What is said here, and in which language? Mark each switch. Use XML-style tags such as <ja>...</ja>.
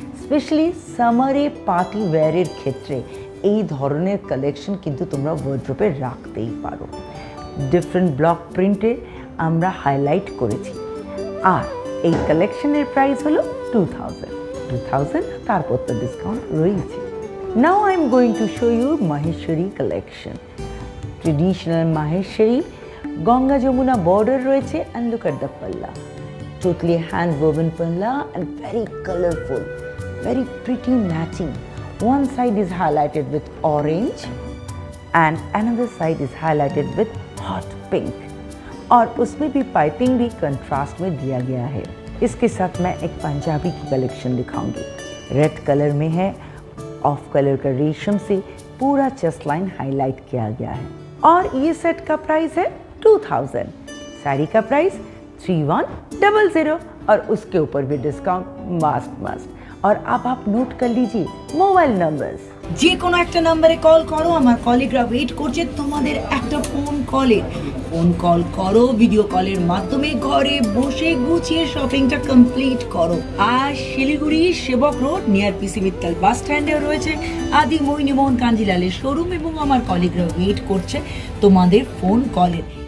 <bn>Specially সামারে party ওয়্যারের ক্ষেত্রে এই ধরনের কালেকশন কিন্তু তোমরা ওয়ার্ড্রোপে রাখতেই পারো। ডিফারেন্ট ব্লক প্রিন্টে আমরা হাইলাইট করেছি, আর এই কালেকশনের প্রাইস হলো 2000, তারপর তো ডিসকাউন্ট রয়েছে।</bn> <en>Now I'm going to show you Maheshwari collection. Traditional Maheshwari, Ganga Jamuna border</en> <bn>royeche,</bn> <en>and look at the palla. Totally hand woven palla and very colorful, very pretty matching. One side is highlighted with orange and another side is highlighted with hot pink.</en> <hi>Aur usme bhi piping bhi contrast mein diya gaya hai. Iske sath main ek Punjabi ki collection dikhaungi. Red color mein hai, of colour का रेशम से पूरा chest line highlight किया गया है। और ये set का प्राइस है 2000, साड़ी का प्राइस 3100, और उसके ऊपर भी डिस्काउंट मस्ट मस्ट। और अब आप नोट कर लीजिए मोबाइल नंबर्स।</hi> <bn>যে কোন একটা নম্বরে কল করো, আমার কলিগরা ওয়েট করছে তোমাদের একটা ফোন কলে। ফোন কল করো, ভিডিও কলের মাধ্যমে ঘরে বসে গুছিয়ে শপিংটা কমপ্লিট করো। আর শিলিগুড়ি সেবক রোড নিয়ার পিসি মিত্তাল বাস স্ট্যান্ডে রয়েছে আদি মোহিনীমোহন কাঞ্জিলালের শোরুম, এবং আমার কলিগরা ওয়েট করছে তোমাদের ফোন কলে।</bn>